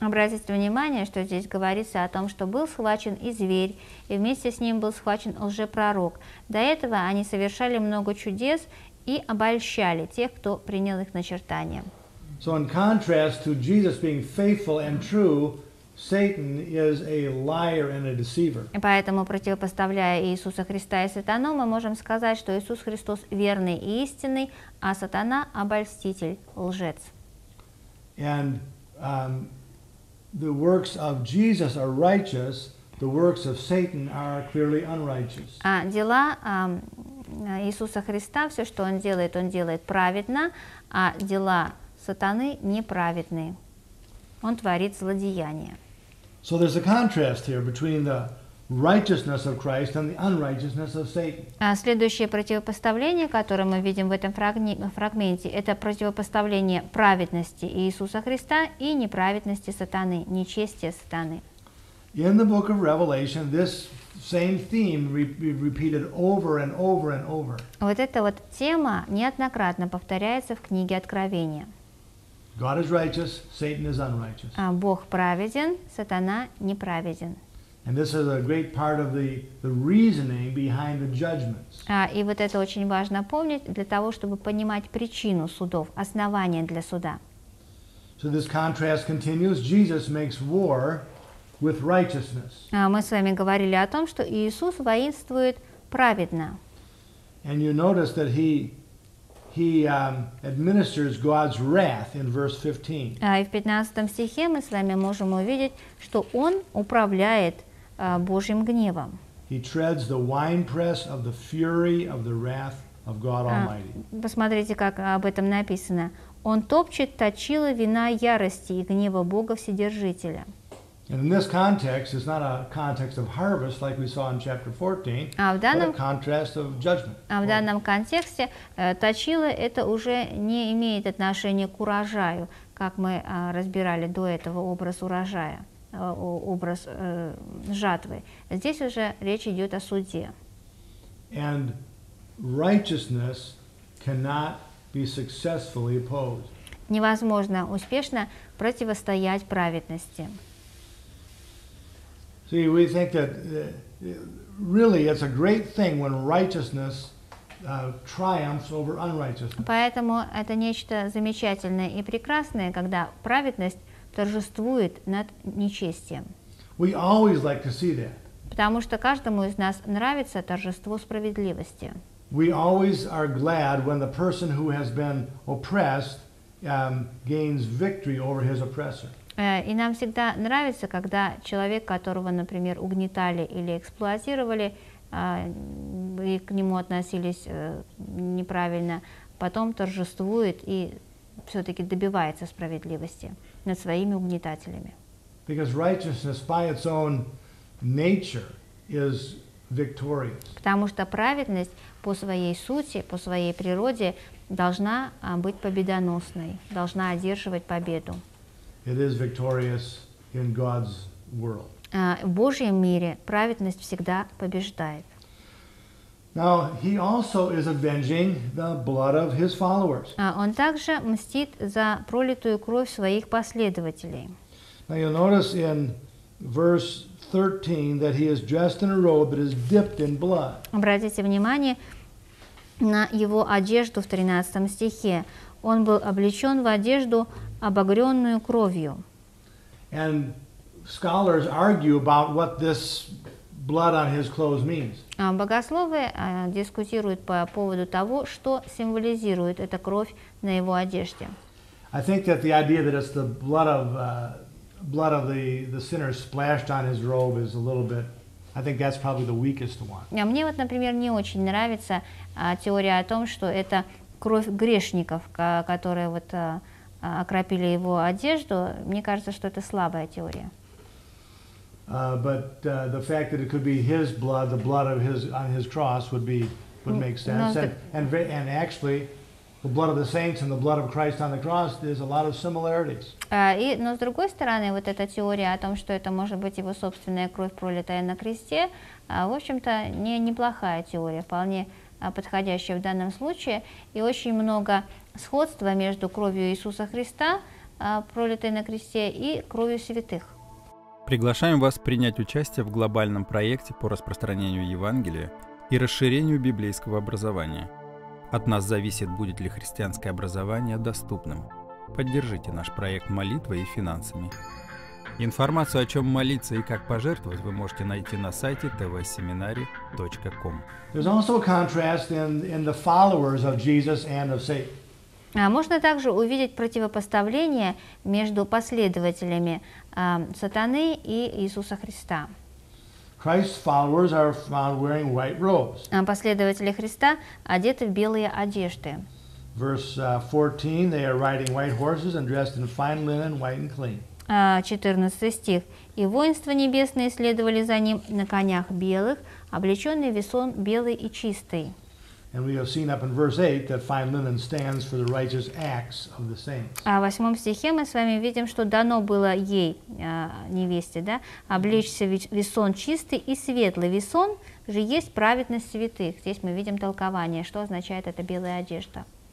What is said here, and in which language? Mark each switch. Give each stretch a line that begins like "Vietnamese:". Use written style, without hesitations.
Russian: Обратите внимание, что здесь говорится о том, что был схвачен и зверь, и вместе с ним был схвачен лжепророк. До этого они совершали много чудес и обольщали тех, кто принял их начертание.
English: So in contrast to Jesus being faithful and true, Satan is a liar and a deceiver.
Russian: И поэтому, противопоставляя Иисуса Христа и сатану, мы можем сказать, что Иисус Христос верный и истинный, а сатана – обольститель, лжец.
English: And the works of Jesus are righteous, the works of Satan are clearly unrighteous.
Russian: Дела Иисуса Христа, все, что он делает праведно, а дела сатаны неправедные. Он творит злодеяния.
English: So there's a contrast here between the righteousness of Christ and the unrighteousness of Satan.
Russian: Следующее противопоставление, которое мы видим в этом фрагменте, это противопоставление праведности Иисуса Христа и неправедности сатаны, нечестия сатаны.
English: In the book of Revelation, this same theme repeated over and over and over.
Russian: Вот эта вот тема неоднократно повторяется в книге Откровения.
English: God is righteous, Satan is unrighteous.
Russian: Бог праведен, сатана неправеден.
English: And this is a great part of the reasoning behind the judgments.
Russian: И вот это очень важно помнить для того, чтобы понимать причину судов, основание для суда.
English: So this contrast continues. Jesus makes war with righteousness.
Russian: Мы с вами говорили о том, что Иисус воинствует праведно.
English: And you notice that He administers God's wrath in verse 15.
Russian: И в 15 стихе мы с вами можем увидеть, что он управляет Божьим гневом.
English: He treads the winepress of the fury of the wrath of God Almighty.
Russian: Посмотрите, как об этом написано. Он топчет точило вина ярости и гнева Бога Вседержителя.
English: And in this context, it's not a context of harvest like we saw in chapter 14, but a contrast of judgment.
Russian: В данном контексте точило это уже не имеет отношения к урожаю, как мы разбирали до этого образ урожая, образ жатвы. Здесь уже речь идет о суде.
English: And righteousness cannot be successfully opposed.
Russian: Невозможно успешно противостоять праведности.
English: See, we think that really it's a great thing when righteousness triumphs over unrighteousness.
Russian: Поэтому это нечто замечательное и прекрасное, когда праведность торжествует над нечестием.
English: We always like to see that.
Russian: Потому что каждому из нас нравится торжество справедливости.
English: We always are glad when the person who has been oppressed gains victory over his oppressor.
Russian: И нам всегда нравится, когда человек, которого, например, угнетали или эксплуатировали, и к нему относились неправильно, потом торжествует и все-таки добивается справедливости над своими угнетателями.
English: Because righteousness by its own nature is victorious.
Russian: Потому что праведность по своей сути, по своей природе должна быть победоносной, должна одерживать победу.
English: It is victorious in God's world.
Russian: В Божьем мире праведность всегда побеждает.
English: Now he also is avenging the blood of his followers.
Russian: Он также мстит за пролитую кровь своих последователей.
English: Now you'll notice in verse 13 that he is dressed in a robe that is dipped in blood.
Russian: Обратите внимание на его одежду в 13 стихе. Он был облечен в одежду, обогренную кровью.
English: And scholars argue about what this blood on his clothes means.
Russian: Богословы дискутируют по поводу того, что символизирует эта кровь на его одежде.
English: I think that the idea that it's the blood of the sinner splashed on his robe is a little bit I think that's probably the weakest one.
Russian: А мне вот, например, не очень нравится теория о том, что это кровь грешников, которые вот окропили его одежду. Мне кажется, что это слабая теория.
English: But the fact that it could be his blood, the blood of his on his cross, would make sense. And actually, the blood of the saints and the blood of Christ on the cross, there's a lot of similarities.
Russian: Но с другой стороны, вот эта теория о том, что это может быть его собственная кровь, пролитая на кресте, в общем-то, неплохая теория, вполне подходящая в данном случае. И очень много сходства между кровью Иисуса Христа, пролитой на кресте, и кровью святых. Приглашаем вас принять участие в глобальном проекте по распространению Евангелия и расширению библейского образования. От нас зависит, будет ли христианское образование доступным. Поддержите наш проект молитвой и финансами. Информацию, о чем молиться и как пожертвовать, вы можете найти на сайте tvseminary.com.
English: There's also a contrast in the followers of Jesus and of Satan.
Russian: Можно также увидеть противопоставление между последователями сатаны и Иисуса Христа.
English: Christ's followers are found wearing white robes.
Russian: Последователи Христа одеты в белые одежды.
English: Verse 14, they are riding white horses and dressed in fine linen, white and clean.
Russian: 14 стих. И воинства небесные следовали за ним на конях белых, облеченные весон белый и чистый.
English: And we have seen up in verse 8 that fine linen stands for the righteous acts of the saints.
Russian: А в восьмом стихе мы с вами видим, что дано было ей, невесте, да, облечься весон чистый и светлый. Весон же есть праведность святых. Здесь мы видим толкование, что означает эта белая одежда.